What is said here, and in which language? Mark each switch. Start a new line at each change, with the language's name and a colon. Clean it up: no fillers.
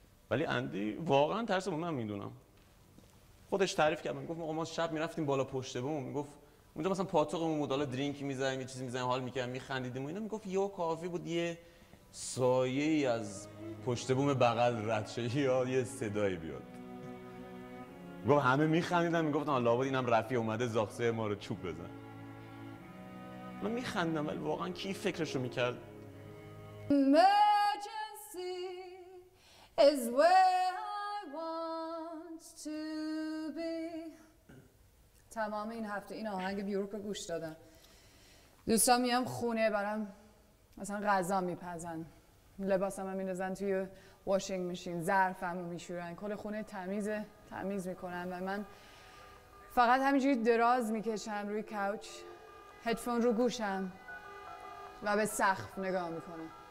Persian: ولی اندی واقعا ترس بود، من میدونم، خودش تعریف کرد، میگفت ما شب میرفتیم بالا پشت بوم، میگفت اونجا مثلا پاتوقمون بود، حالا درینک میزنیم، یه چیزی میزنیم، حال میکردیم، میخندیدیم و اینا. میگفت یه کافی بود یه سایه ای از پشت بوم بغل رد شه یا یه صدایی بیاد. میگفت همه میخندیدن، میگفتن لابد اینم رفی اومده زاخسه ما رو چوب بزن. من میخندم ولی واقعا کی فکرشو میکرد؟
English: Emergency is where I want to be.
Persian: تمام این هفته این آهنگ بیورک رو گوش دادم، دوستان میام خونه برام مثلا غذا میپزن، لباسم هم میرزن توی واشینگ میشین، ظرفم رو میشورن، کل خونه تمیزه، تمیز میکنم و من فقط همینجوری دراز میکشم روی کاوچ، هدفون رو گوشم و به سقف نگاه میکنم.